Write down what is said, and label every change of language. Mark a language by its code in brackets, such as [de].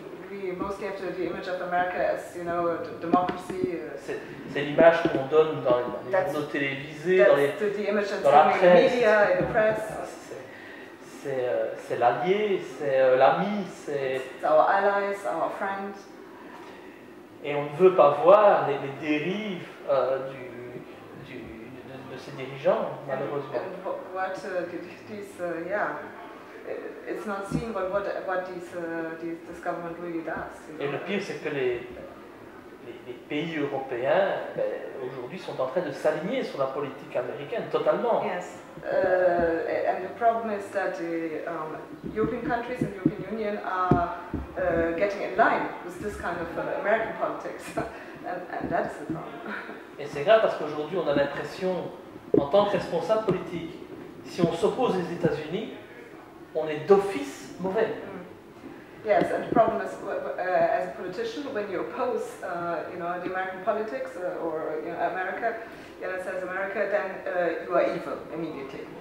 [en] We mostly have the image of America as, you know, democracy. [fr] C'est l'image qu'on donne dans les journaux télévisés, dans la presse. C'est l'allié, c'est l'ami, [en] It's our allies, our friends. [fr] Et on ne veut pas voir les dérives de ces dirigeants, malheureusement. [en] It's not seen, but what this government really does. You know? [fr] Et le pire, c'est que les pays européens aujourd'hui sont en train de s'aligner sur la politique américaine totalement. [en] Yes. And the problem is that the European countries and the European Union are getting in line with this kind of American politics, and that's the problem. [fr] Et c'est grave parce qu'aujourd'hui, on a l'impression, en tant que responsable politique, si on s'oppose aux États-Unis. On est d'office mauvais. [en] Yes, and the problem is, as a politician, when you oppose, the American politics America, you know, says America, then you are evil immediately.